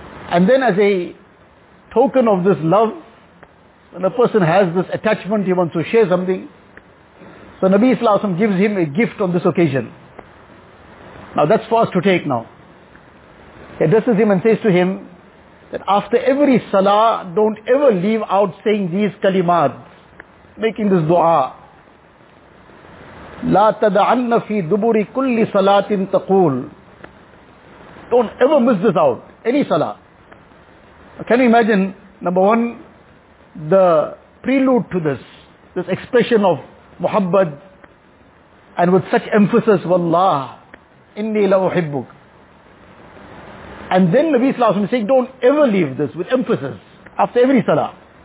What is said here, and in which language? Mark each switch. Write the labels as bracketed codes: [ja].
[en] And then as a token of this love, when a person has this attachment, he wants to share something, so Nabi sallallahu alaihi wasallam gives him a gift on this occasion. Now that's for us to take now. He addresses him and says to him that after every salah, don't ever leave out saying these kalimat, making this dua. [ar] لا تدعن في دبر كل صلاة تقول. [en] Don't ever miss this out. any salah. Can you imagine, number one, the prelude to this expression of muhabbat, and with such emphasis, wallah, inni lawuhibbuk. And then Nabi Sallallahu Alaihi Wasallam saying, don't ever leave this with emphasis, after every salah.